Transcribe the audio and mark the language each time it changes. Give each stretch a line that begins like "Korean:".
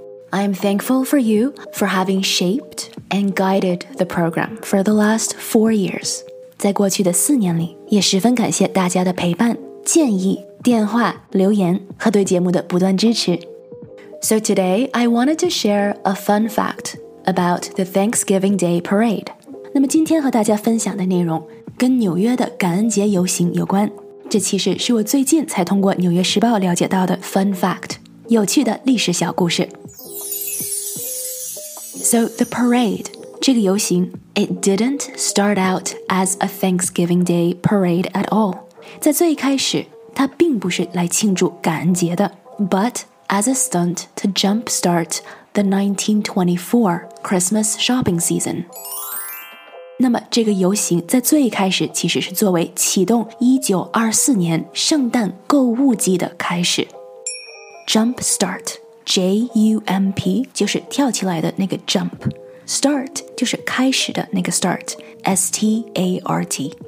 English: I am thankful for you for having shaped and guided the program for the last 4 years.
Chinese: 在过去的四年里，也十分感谢大家的陪伴、建议、电话、留言和对节目的不断支持。
English: So today, I wanted to share a fun fact about the Thanksgiving Day Parade.
Chinese: 那么今天和大家分享的内容跟纽约的感恩节游行有关。这其实是我最近才通过《纽约时报》了解到的 fun fact, 有趣的历史小故事。
English: So the parade,
Chinese: 这个游行
English: it didn't start out as a Thanksgiving Day parade at all.
Chinese: 在最开始它并不是来庆祝感恩节的
English: but... as a stunt to jumpstart the 1924 Christmas shopping season.
Chinese: 那么这个游行在最开始其实是作为启动1924年圣诞购物季的开始。 Jumpstart, J-U-M-P, 就是跳起来的那个 jump. Start 就是开始的那个 start, S-T-A-R-T.